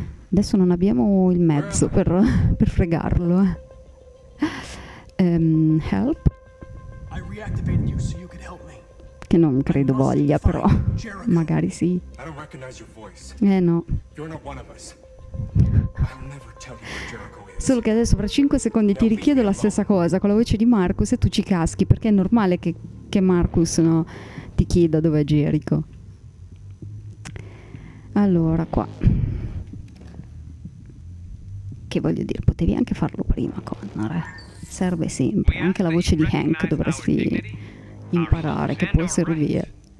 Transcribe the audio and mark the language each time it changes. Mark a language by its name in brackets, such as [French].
[Italian] Adesso non abbiamo il mezzo per fregarlo, eh. [English] Help. I reactivated you so you could help me. [Italian] Che non credo voglia, però magari sì. [English] I don't recognize your voice. No. You're not one of us. I'll never tell you where Jericho is. [Italian] Solo che adesso fra 5 secondi ti richiedo la stessa cosa con la voce di Marcus e tu ci caschi, perché è normale che Marcus, no, ti chieda dove è Jericho. Allora, qua. Che voglio dire, potevi anche farlo prima, Connor. Serve sempre, anche la voce di Hank dovresti imparare, che può servire.